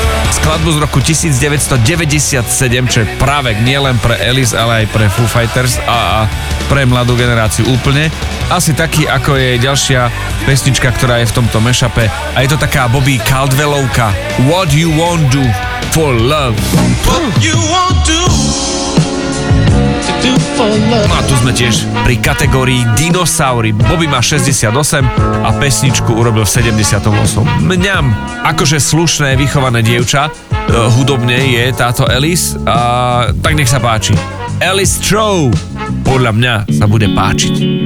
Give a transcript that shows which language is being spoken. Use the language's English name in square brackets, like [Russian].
[Slovak] Skladbu z roku 1997, čo je pravek nielen pre Alice, ale aj pre Foo Fighters a pre mladú generáciu úplne. Asi taký, ako je ďalšia pesnička, ktorá je v tomto mashupe. A je to taká Bobby Caldwellovka. [English] What you won't do for love. What you won't do to do for love. [Slovak] No a tu sme tiež pri kategórii dinosauri. Bobby má 68 a pesničku urobil v 78. Mňam, akože slušné, vychované dievča, hudobne je táto Alice. A tak nech sa páči. Alice Trow, podľa mňa sa bude páčiť.